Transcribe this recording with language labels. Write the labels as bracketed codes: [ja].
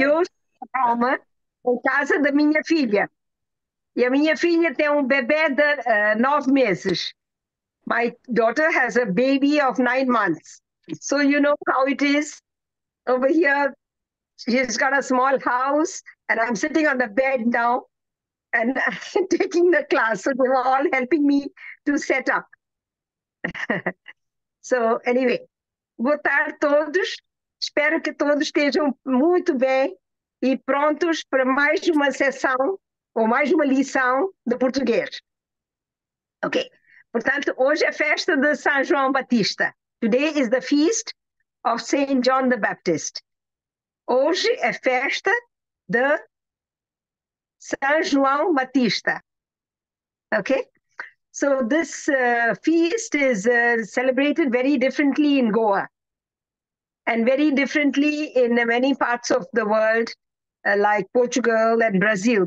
[pt] Eu estou em Roma, em casa da minha filha. E a minha filha tem um bebê de 9 meses. [en] My daughter has a baby of 9 months. So you know how it is over here. She's got a small house, and I'm sitting on the bed now and taking the class. So they were all helping me to set up. So, anyway, [pt] boa tarde a todos. Espero que todos estejam muito bem e prontos para mais uma sessão ou mais uma lição de português. Ok. Portanto, hoje é a festa de São João Batista. [en] Today is the feast of Saint John the Baptist. [pt] Hoje é festa de São João Batista. Ok? [en] So this feast is celebrated very differently in Goa and very differently in many parts of the world, like Portugal and Brazil.